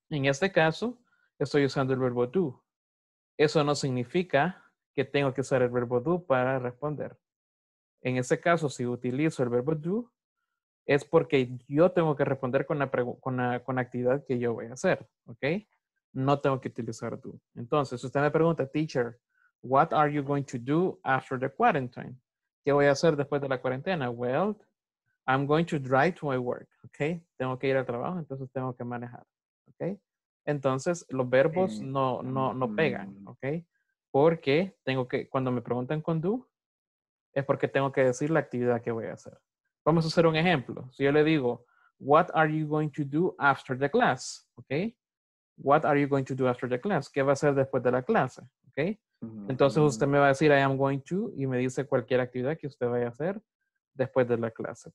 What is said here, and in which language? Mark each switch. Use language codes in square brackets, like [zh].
[es] En este caso, estoy usando el verbo do. Eso no significa que tengo que usar el verbo do para responder. En este caso, si utilizo el verbo do, es porque yo tengo que responder con la actividad que yo voy a hacer. ¿Ok? No tengo que utilizar do. Entonces, usted me pregunta, [en] teacher, what are you going to do after the quarantine? [es] ¿Qué voy a hacer después de la cuarentena? [en] Well, I'm going to drive to my work, okay? [es] Tengo que ir al trabajo, entonces tengo que manejar, okay? Entonces, los verbos no pegan, okay? Porque tengo que, cuando me preguntan con do, es porque tengo que decir la actividad que voy a hacer. Vamos a hacer un ejemplo. Si yo le digo, [en] what are you going to do after the class, okay? What are you going to do after the class? [es] ¿Qué va a hacer después de la clase, okay? Entonces, usted me va a decir, [en] I am going to, [es] y me dice cualquier actividad que usted vaya a hacer después de la clase.